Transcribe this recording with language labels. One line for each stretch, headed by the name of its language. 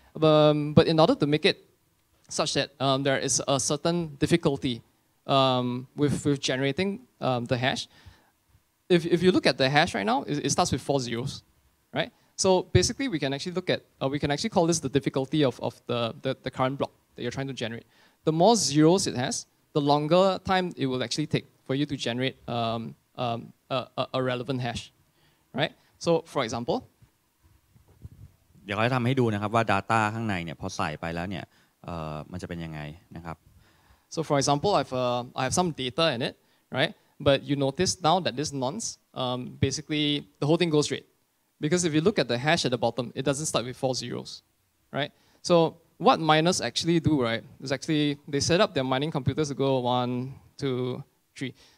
English: But in order to make it such that there is a certain difficulty with generating the hash, if you look at the hash right now, it starts with 4 zeros, right? So basically, we can actually look at we can actually call this the difficulty of the current block that you're trying to generate. The more zeros it has. The longer time it will actually take for you to generate a relevant hash, right? So, for example,
Thai: เดี๋ยวเราจะทำให้ดูนะครับว่า data ข้างในเนี่ยพอใส่ไปแล้วเนี่ยมันจะเป็นยังไงนะครับ
English: So, for example, I have some data in it, right? But you notice now that this nonce, basically the whole thing goes straight, because if you look at the hash at the bottom, it doesn't start with 4 zeros, right? So What miners actually do, right, is actually they set up their mining computers to go 1, 2, 3.